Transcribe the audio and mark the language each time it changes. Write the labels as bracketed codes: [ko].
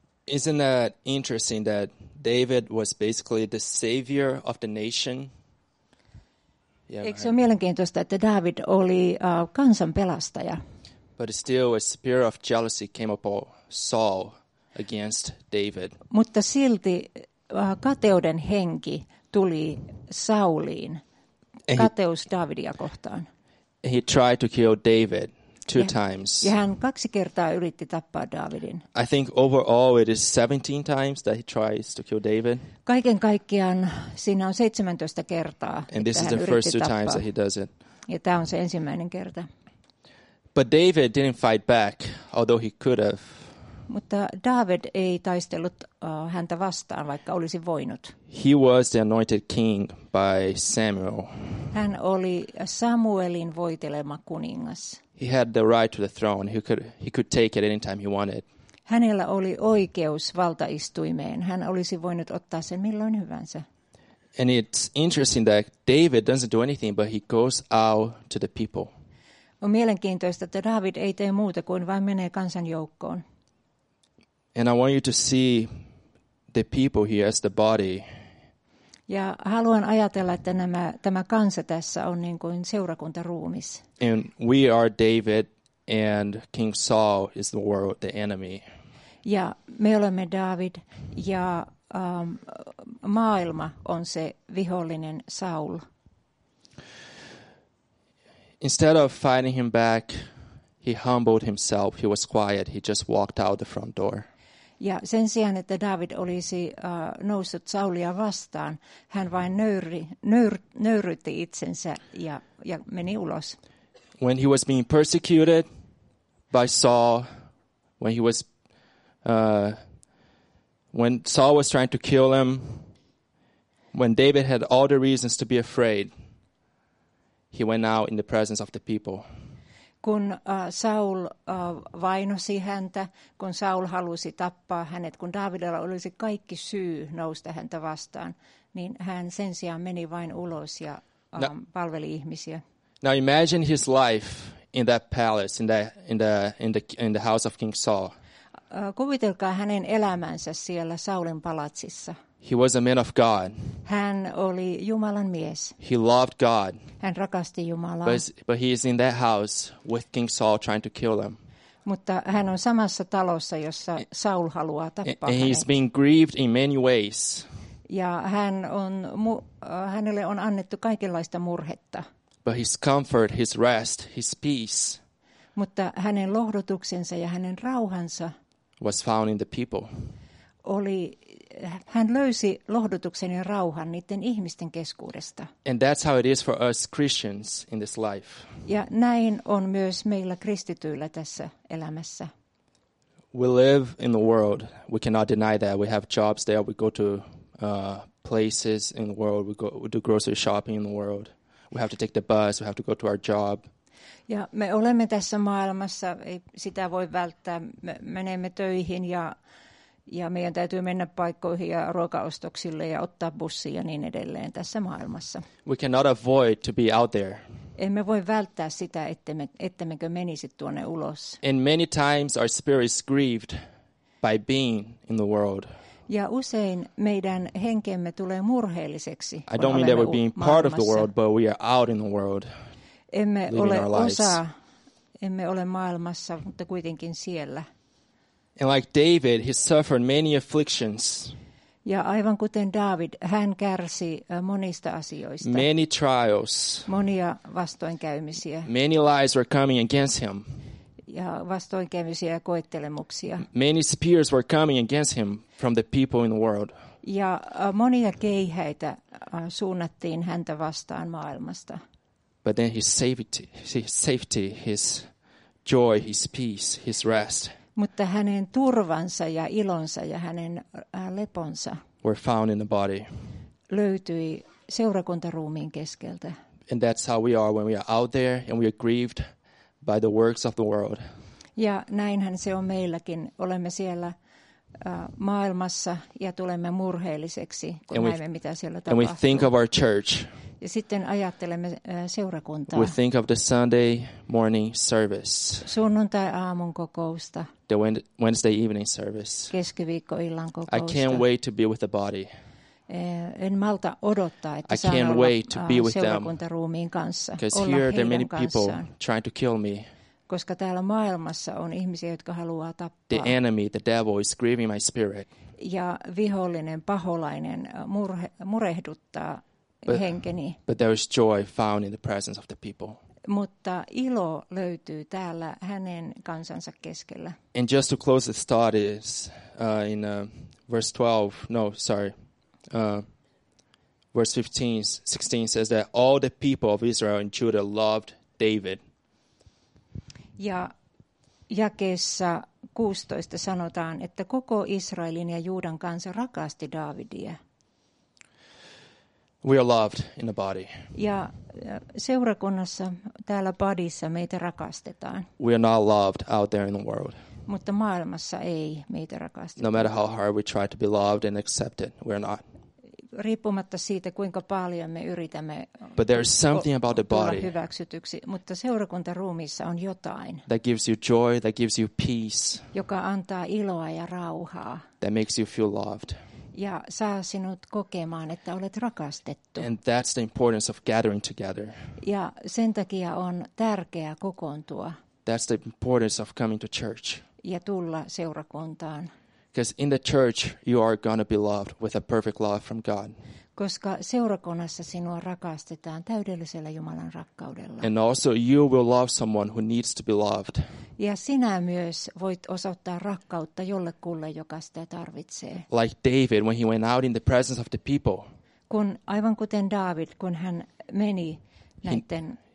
[en] Isn't that interesting that David was basically the savior of the nation? [fi] Yeah, eikö se ole mielenkiintoista, että David oli kansan pelastaja? [en] But still a spirit of jealousy came upon Saul against David. [fi] Mutta silti kateuden henki tuli Sauliin, kateus Davidia kohtaan. [en] He tried to kill David 2 times. [fi] Ja hän 2 kertaa yritti tappaa Davidin. [en] I think overall it is 17 times that he tries to kill David. [fi] Kaiken kaikkiaan siinä on 17 kertaa, [en] and this is the first 2 times that he does it. [fi] Ja tämä on se ensimmäinen kerta. [en] But David didn't fight back, although he could have. [fi] Mutta David ei taistellut häntä vastaan, vaikka olisi voinut. [en] He was the anointed king by Samuel. [fi] Hän oli Samuelin voitelema kuningas. [en] He had the right to the throne. He could take it anytime he wanted. [fi] Hänellä oli oikeus valtaistuimeen. Hän olisi voinut ottaa sen milloin hyvänsä. [en] And it's interesting that David doesn't do anything, but he goes out to the people. [fi] On mielenkiintoista, että David ei tee muuta kuin vain menee kansan joukkoon. [en] And I want you to see the people here as the body. [fi] Ja haluan ajatella, että tämä kansa tässä on niin kuin seurakuntaruumis. [en] And we are David and King Saul is the world, the enemy. [fi] Ja me olemme David ja maailma on se vihollinen Saul. [en] Instead of fighting him back, he humbled himself. He was quiet. He just walked out the front door. [fi] Ja sen sijaan, että David olisi noussut Saulia vastaan, hän vain nöyrytti itsensä ja meni ulos. [en] When he was being persecuted by Saul, when Saul was trying to kill him, when David had all the reasons to be afraid, he went out in the presence of the people. [fi] Kun Saul vainosi häntä, kun Saul halusi tappaa hänet, kun Davidilla olisi kaikki syy nousta häntä vastaan, niin hän sen sijaan meni vain ulos ja palveli ihmisiä. [en] Now imagine his life in that palace, in the house of King Saul. [fi] Kuvitelkaa hänen elämänsä siellä Saulin palatsissa. [en] He was a man of God. [fi] Hän oli Jumalan mies. [en] He loved God. [fi] Hän rakasti Jumalaa. [en] But he is in that house with King Saul trying to kill him. [fi] Mutta hän on samassa talossa, jossa Saul haluaa tappaa hänet. [en] He's been grieved in many ways. [fi] Ja hän on hänelle on annettu kaikenlaista murhetta. [en] But his comfort, his rest, his peace. [fi] Mutta hänen lohdutuksensa ja hänen rauhansa [en] was found in the people. [fi] Oli hän löysi lohdutuksen ja rauhan niiden ihmisten keskuudesta. [en] And that's how it is for us Christians in this life. [fi] Ja näin on myös meillä kristityillä tässä elämässä. [en] We live in the world. We cannot deny that. We have jobs there. We go to places in the world. We do grocery shopping in the world. We have to take the bus. We have to go to our job. [fi] Ja me olemme tässä maailmassa. Ei sitä voi välttää. Me menemme töihin ja meidän täytyy mennä paikkoihin ja ruokaostoksille ja ottaa bussi ja niin edelleen tässä maailmassa. [en] We cannot avoid to be out there. [fi] Emme voi välttää sitä, ettemmekö menisi tuonne ulos. [en] And many times our spirit is grieved by being in the world. [fi] Ja usein meidän henkemme tulee murheelliseksi. [en] I don't mean that we're being part of the world, but we are out in the world. [fi] Emme ole osa, emme ole maailmassa, mutta kuitenkin siellä. [en] And like David, he suffered many afflictions. [fi] Ja aivan kuten David, hän kärsi monista asioista. [en] Many trials. [fi] Monia vastoinkäymisiä. [en] Many lies were coming against him. [fi] Ja vastoinkäymisiä ja koettelemuksia. [en] Many spears were coming against him from the people in the world. [fi] Ja monia keihäitä suunnattiin häntä vastaan maailmasta. [en] But then his safety, his joy, his peace, his rest. [fi] Mutta hänen turvansa ja ilonsa ja hänen leponsa [en] were found in the body. [fi] Löytyi seurakuntaruumiin keskeltä. [en] And that's how we are when we are out there and we are grieved by the works of the world. [fi] Ja näinhän se on meilläkin. Olemme siellä maailmassa ja tulemme murheelliseksi, kun näemme, mitä siellä tapahtuu. [en] And we think of our church. [fi] Ja sitten ajattelemme seurakuntaa. [en] We think of the Sunday morning service. [fi] Sunnuntai aamun kokousta. [en] The Wednesday evening service. [fi] Keskiviikkoillan kokousta. [en] I can't wait to be with the body. [fi] En malta odottaa, että saan olla seurakuntaruumiin kanssa. [en] Because here there are many people trying to kill me. [fi] Koska täällä maailmassa on ihmisiä, jotka haluaa tappaa. [en] The enemy, the devil, is grieving my spirit. [fi] Ja vihollinen, paholainen murehduttaa. [en] But there is joy found in the presence of the people. [fi] Mutta ilo löytyy täällä hänen kansansa keskellä. [en] And just to close this thought is verse 16 says that all the people of Israel and Judah loved David. [fi] Ja jakeessa 16 sanotaan, että koko Israelin ja Juudan kansa rakasti Daavidia. [en] We are loved in the body. [fi] Ja seurakunnassa täällä bodyssa meitä rakastetaan. [en] We are not loved out there in the world. [fi] Mutta maailmassa ei meitä rakasteta. [en] No matter how hard we try to be loved and accepted, we are not. [fi] Riippumatta siitä, kuinka paljon me yritämme. [en] But there is something about the body. [fi] Hyväksytyksi, mutta seurakuntaruumissa on jotain. [en] That gives you joy, that gives you peace. [fi] Joka antaa iloa ja rauhaa. [en] That makes you feel loved. [fi] Ja saa sinut kokemaan, että olet rakastettu. [en] And that's the importance of gathering together. [fi] Ja sen takia on tärkeää kokoontua. [en] That's the importance of coming to church. [fi] Ja tulla seurakuntaan. [en] Because in the church you are going to be loved with a perfect love from God. [fi] Koska seurakunnassa sinua rakastetaan täydellisellä Jumalan rakkaudella. [en] And also you will love someone who needs to be loved. [fi] Ja sinä myös voit osoittaa rakkautta jollekulle, joka sitä tarvitsee. [en] Like David when he went out in the presence of the people. [fi] Kun aivan kuten David, kun hän meni näiden